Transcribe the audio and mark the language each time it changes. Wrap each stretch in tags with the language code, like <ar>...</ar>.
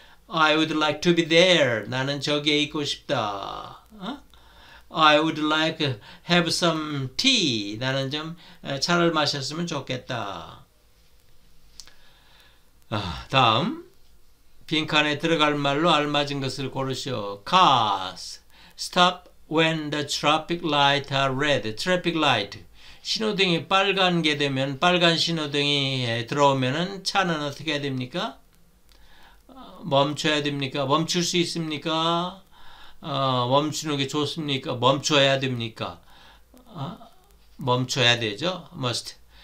<en>I would like to be there.</en> <ko>나는 저기에 있고 싶다.</ko> <en>I would like have some tea.</en> <ko>나는 좀 차를 마셨으면 좋겠다. 다음 빈칸에 들어갈 말로 알맞은 것을 고르시오.</ko> <en>Cars stop when the traffic light are red. Traffic light.</en> <ko>신호등이 빨간 게 되면 빨간 신호등이 들어오면은 차는 어떻게 해야 됩니까? 멈춰야 됩니까? 멈출 수 있습니까? 멈추는 게 좋습니까? 멈춰야 됩니까? 멈춰야 되죠. Must.</ko>